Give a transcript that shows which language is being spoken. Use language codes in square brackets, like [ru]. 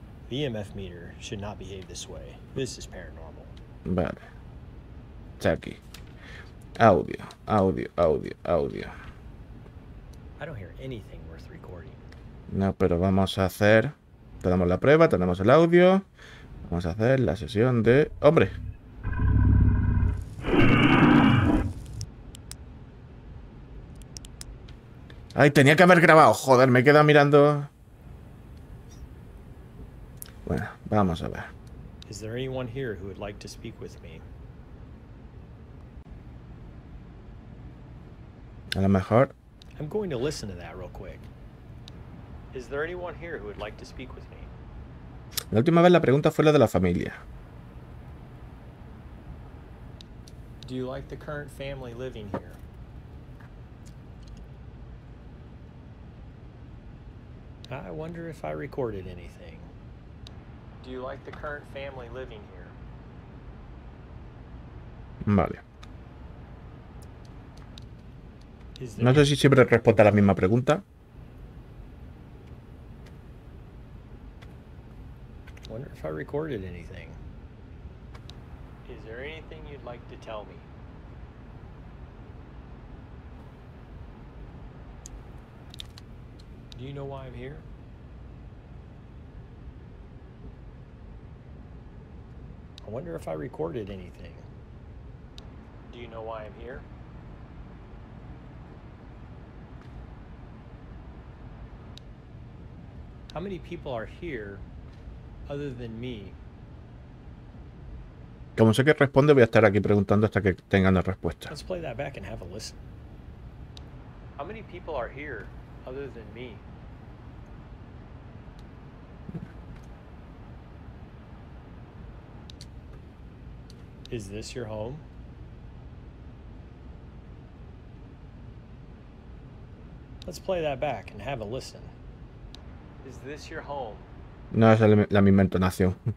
[en] EMF meter should not behave this way. This is paranormal. [es] Vale. Está aquí. Audio, audio, audio, audio. [en] I don't hear anything worth recording. [es] No, pero vamos a hacer. Tenemos la prueba, tenemos el audio. Vamos a hacer la sesión de. ¡Hombre! ¡Ay, tenía que haber grabado! Joder, me he quedado mirando. Bueno, vamos a ver. [en] Is there anyone here who would like to speak with me? [es] A lo mejor. [en] I'm going to listen to that real quick. Is there anyone here who would like to speak with me? [es] La última vez la pregunta fue la de la familia. [en] Do you like the current family living here? I wonder if I recorded anything. Do you like the current family living here? [es] Vale. No sé si siempre responde a la misma pregunta. [en] Wonder if I recorded anything. Is there anything you'd like to tell me? Do you know why I'm here? I wonder if I recorded anything. Do you know why I'm here? How many people are here other than me? [es] Como sé que responde, voy a estar aquí preguntando hasta que tengan la respuesta. [en] Let's play that back and have a listen. How many people are here other than me? Is this your home? Let's play that back and have a listen. Is this your home? [es] No es la misma entonación.